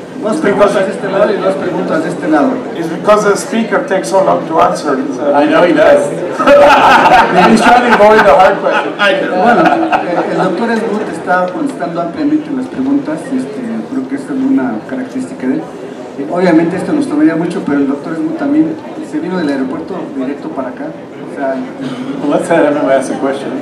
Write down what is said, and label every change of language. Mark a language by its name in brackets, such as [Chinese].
[Spanish] Dos preguntas de este lado y dos preguntas de este lado. [English] It's because the speaker takes so long to answer. I know he does. He's trying to avoid the hard question. [Spanish] Bueno, el doctor Smoot está contestando ampliamente las preguntas. Creo que esta es una característica de él. Obviamente esto nos tomaría mucho, pero el doctor Smoot también se vino del aeropuerto directo para acá. [English] Let's have everyone ask a question.